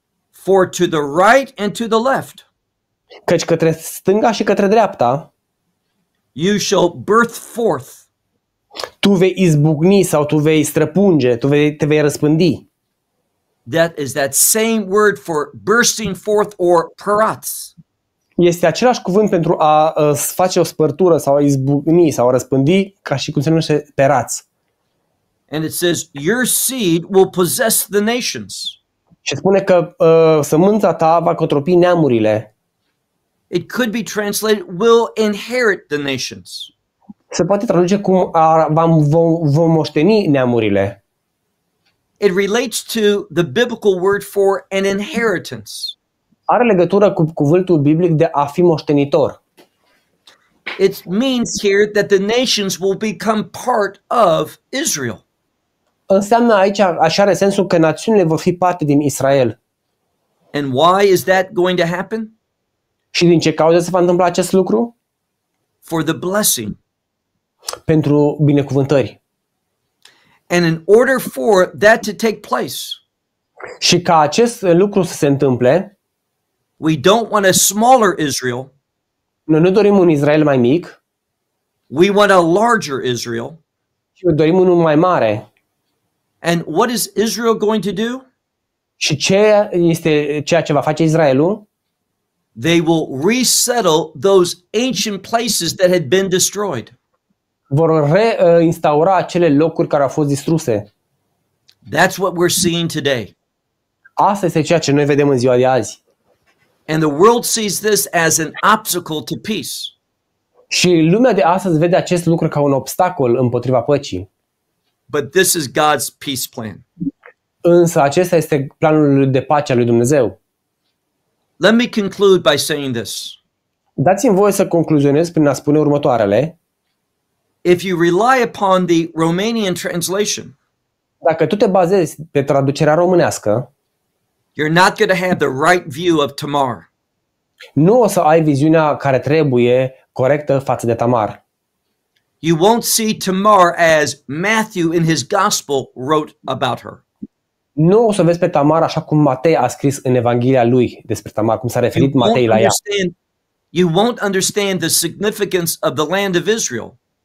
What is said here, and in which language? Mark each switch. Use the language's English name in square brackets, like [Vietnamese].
[English] For to the right and to the left. [Romanian] Căci către stânga și către dreapta. [English] You shall birth forth. [Romanian] Tu vei izbucni sau tu vei străpunge, te vei răspândi. [English] That is that same word for bursting forth or paratz. [Romanian] Este același cuvânt pentru a face o spărtură sau a izbucni sau a răspândi, ca și cum se numește perați. [English] And it says your seed will possess the nations. [Romanian] Și spune că sămânța ta va cotropi neamurile. [English] It could be translated will inherit the nations. [Romanian] Se poate traduce cum vom moșteni neamurile. [English] It relates to the biblical word for an inheritance. [Romanian] Are legătură cu cuvântul biblic de a fi moștenitor. [English] It means here that the nations will become part of Israel. [Romanian] Înseamnă aici, așa are sensul că națiunile vor fi parte din Israel. [English] And why is that going to happen? [Romanian] Și din ce cauză se va întâmpla acest lucru? [English] For the blessing. [Romanian] Pentru binecuvântări. [English] And in order for that to take place. [Romanian] Și ca acest lucru să se întâmple. [English] We don't want a smaller Israel. [Romanian] Noi nu dorim un Israel mai mic. [English] We want a larger Israel. [Romanian] Și dorim unul mai mare. [English] And what is Israel going to do? [Romanian] Și ce este ceea ce va face Israelul? [English] They will resettle those ancient places that had been destroyed. [Romanian] Vor reinstaura acele locuri care au fost distruse. [English] That's what we're seeing today. [Romanian] Asta este ceea ce noi vedem în ziua de azi. [English] And the world sees this as an obstacle to peace. [Romanian] Și lumea de astăzi vede acest lucru ca un obstacol împotriva păcii. [English] But this is God's peace plan. [Romanian] Însă acesta este planul de pace al lui Dumnezeu. [English] Let me conclude by saying this. [Romanian] Dați-mi voie să concluzionez prin a spune următoarele. [English] If you rely upon the Romanian translation, [Romanian] dacă tu te bazezi pe traducerea românească, [English] you're not going to have the right view of Tamar. [Romanian] Nu o să ai viziunea care trebuie corectă față de Tamar. [English] You won't see Tamar as Matthew in his gospel wrote about her. [Romanian] Nu o să vezi pe Tamar așa cum Matei a scris în Evanghelia lui despre Tamar, cum s-a referit Matei la ea. [English] You won't understand the significance of the land of Israel.